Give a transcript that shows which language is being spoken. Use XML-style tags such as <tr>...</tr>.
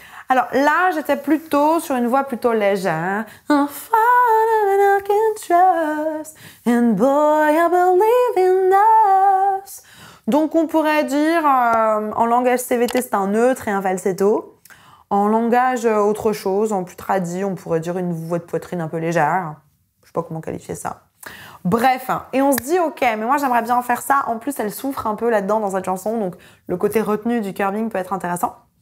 <fr>Alors là, j'étais plutôt sur une voix plutôt légère.</fr> <en>I'm finding and I can trust, and boy, I believe in us.</en> <fr>Donc on pourrait dire, en langage CVT, c'est un neutre et un falsetto. En langage autre chose, en plus tradit, on pourrait dire une voix de poitrine un peu légère. Je sais pas comment qualifier ça. Bref, et on se dit, ok, mais moi j'aimerais bien faire ça. En plus, elle souffre un peu là-dedans dans cette chanson, donc le côté retenu du curving peut être intéressant.</fr>